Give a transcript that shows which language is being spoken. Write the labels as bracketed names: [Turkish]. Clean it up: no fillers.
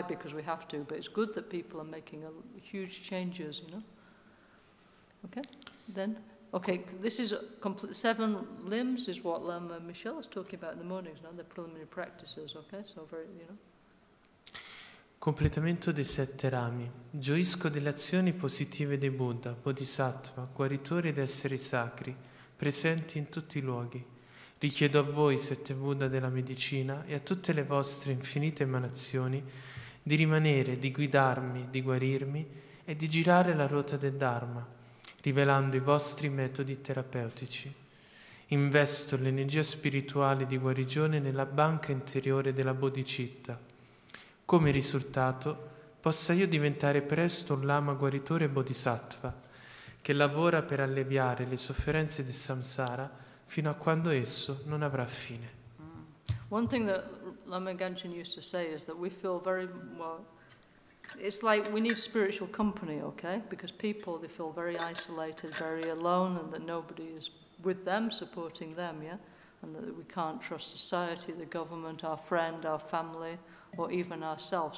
[English] Because we have to, but it's good that people are making huge changes, you know? Okay, then, okay, this is seven limbs is what Lama Michelle is talking about in the mornings, no? The preliminary practices, okay, so very, you know. [Italian] Completamento dei sette rami. Gioisco delle azioni positive dei Buddha, Bodhisattva, guaritori ed esseri sacri, presenti in tutti i luoghi. Richiedo a voi, sette Buddha della medicina, e a tutte le vostre infinite emanazioni, di rimanere, di guidarmi, di guarirmi e di girare la ruota del Dharma, rivelando i vostri metodi terapeutici. Investo l'energia spirituale di guarigione nella banca interiore della Bodhicitta. Come risultato, possa io diventare presto un lama guaritore bodhisattva che lavora per alleviare le sofferenze del samsara fino a quando esso non avrà fine. [English] One thing that Lama Ganchen used to say is that we feel very well. It's like we need spiritual company, okay? Because people, they feel very isolated, very alone, and that nobody is with them, supporting them, yeah? And that we can't trust society, the government, our friend, our family, or even ourselves.